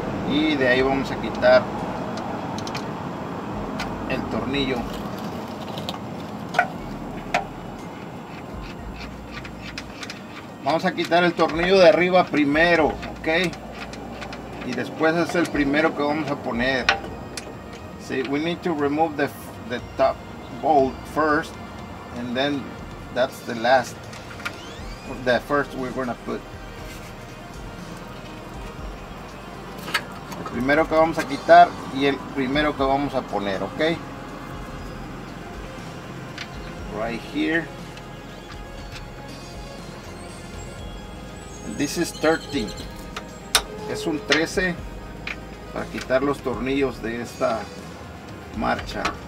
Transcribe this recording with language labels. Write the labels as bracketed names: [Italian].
[Spanish] Y de ahí vamos a quitar el tornillo. Vamos a quitar el tornillo de arriba primero, ok. Y después es el primero que vamos a poner. [English] See, we need to remove the top bolt first, and then that's the last, the first we're gonna put. [Spanish] Primero que vamos a quitar y el primero que vamos a poner, ok. [English] Right here. And this is 13. [Spanish] Es un 13 para quitar los tornillos de esta marcha.